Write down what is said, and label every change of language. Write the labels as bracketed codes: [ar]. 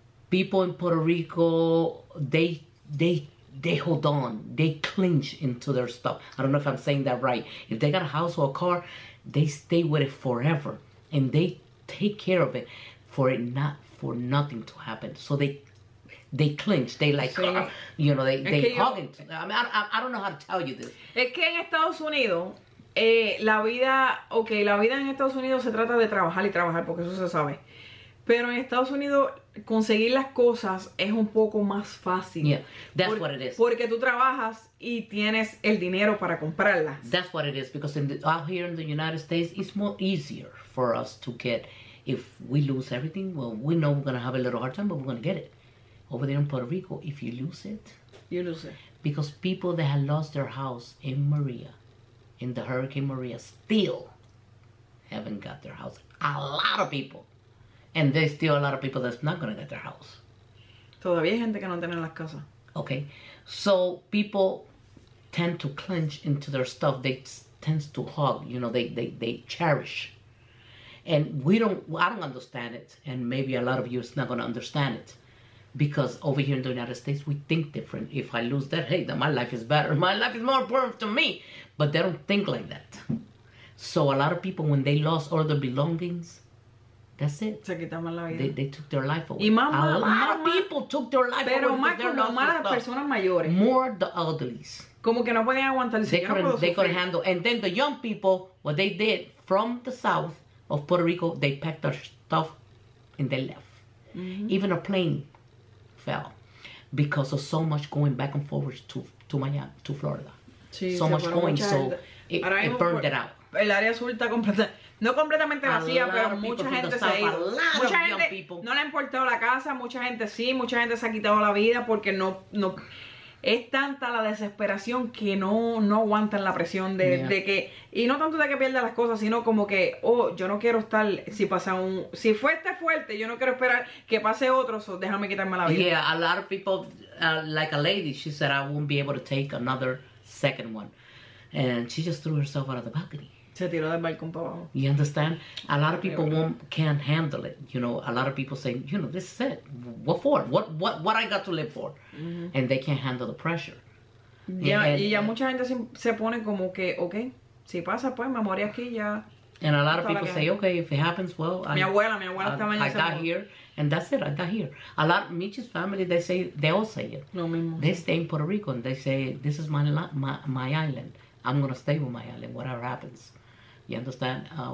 [en] People in Puerto Rico, they hold on, they clinch into their stuff. I don't know if I'm saying that right. If they got a house or a car, they stay with it forever, and they take care of it for nothing to happen. So they clinch, they like, sí. Hugging. I don't know how to tell you this. [es] Es que en Estados Unidos. La vida en Estados Unidos se trata de trabajar y trabajar, porque eso se sabe. Pero en Estados Unidos conseguir las cosas es un poco más fácil. [en] Yeah, that's what it is. [es] Porque tú trabajas y tienes el dinero para comprarlas. [en] That's what it is, because out here in the United States, it's more easier for us to get. If we lose everything, well, we know we're going to have a little hard time, but we're going to get it. Over there in Puerto Rico, if you lose it. You lose it. Because people that have lost their house in Maria. In the Hurricane Maria, still haven't got their house. A lot of people. And there's still a lot of people that's not going to get their house. [es] Todavía hay gente que no tiene las casas. [en] Okay. So, people tend to clench into their stuff. They tend to hug. You know, they cherish. And I don't understand it. And maybe a lot of you is not going to understand it. Because over here in the United States, we think different. If I lose that, hey, then my life is better. My life is more important to me. But they don't think like that. So a lot of people, when they lost all their belongings, that's it. [es] Se quitaron la vida. [en] They took their life away. [es] Y mama, [en] a lot [es] mama, [en] of people took their life [es] pero [en] away. [es] Pero más las personas mayores. [en] More the elderly. [es] Como que no podían aguantar. [en] They couldn't handle. And then the young people, what they did from the south of Puerto Rico, they packed their stuff and they left. Mm-hmm. Even a plane fell because of so much going back and forward to Miami, to Florida. [es] Sí, [en] so much going, so it burned it out. [es] El área sur está completamente vacía, pero mucha gente se ha ido. Mucha gente no le ha importado la casa, mucha gente sí, mucha gente se ha quitado la vida porque no es tanta la desesperación que no aguantan la presión de que, y no tanto de que pierda las cosas, sino como que, yo no quiero estar, si fue este fuerte, yo no quiero esperar que pase otro, so déjame quitarme la vida. [en] Yeah, a lot of people, like a lady, she said I won't be able to take another second one, and she just threw herself out of the balcony. [es] Se tiró del balcón para abajo. [en] You understand? A lot of people can't handle it. You know, a lot of people say, you know, this is it. What for? What I got to live for? Mm-hmm. And they can't handle the pressure. [es] Y ya mucha gente se pone como que, okay, si pasa pues, me morí aquí ya. [en] And a lot of people say, okay, if it happens, well, I got here. A lot of Mitch's family, they all say it. [es] Lo mismo. [en] They stay in Puerto Rico and they say, this is my island. I'm going to stay with my island, whatever happens. You understand?